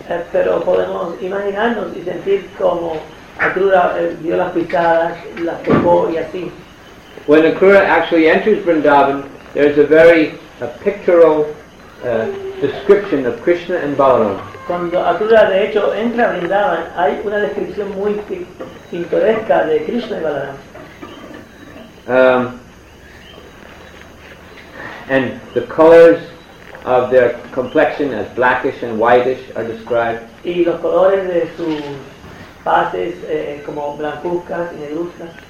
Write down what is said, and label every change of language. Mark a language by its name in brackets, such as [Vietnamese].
[Spanish] Pero podemos imaginarnos y sentir como Akrura vio las pisadas, las tocó y así. [English] When Akrura actually enters Vrindavan, there is a very pictorial description of Krishna and Balaram. [Spanish] Cuando Akrura de hecho entra a Vrindavan, hay una descripción muy pintoresca de Krishna y Balaram. [English] And the colors of their complexion, as blackish and whitish, are described. [Spanish] Y los colores de sus faces como blancuzcas y negruzcas.